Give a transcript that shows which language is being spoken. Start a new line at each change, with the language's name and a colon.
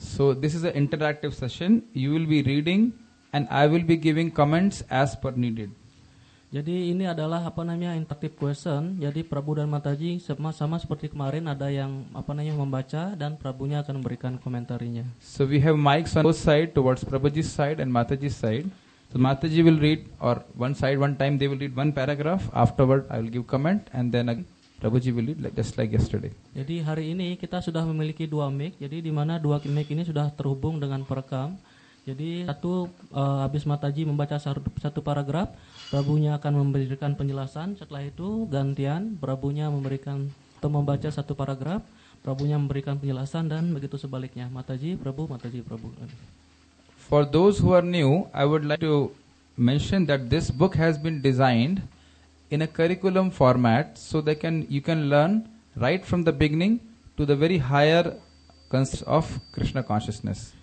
English: So this is an interactive session. You will be reading and I will be giving comments as per needed.
Indonesian: Jadi ini adalah interactive question. Jadi Prabhu dan Mataji sama seperti kemarin, ada yang membaca dan Prabhunya akan memberikan komentarnya.
English: So we have mics on both side towards Prabhuji's side and Mataji's side. So Mataji will read, or one side, one time they will read one paragraph. Afterward, I will give comment, and then Prabhuji will read like, just like yesterday.
Indonesian: Jadi hari ini kita sudah memiliki dua mic. Jadi di mana dua mic ini sudah terhubung dengan perekam. Jadi satu habis Mataji membaca satu paragraf, Prabhunya akan memberikan penjelasan. Setelah itu gantian Prabhunya memberikan atau membaca satu paragraf, Prabhunya memberikan penjelasan, dan begitu sebaliknya. Mataji, Prabhu.
English: For those who are new, I would like to mention that this book has been designed in a curriculum format, so they can you can learn right from the beginning to the very higher concepts of Krishna consciousness.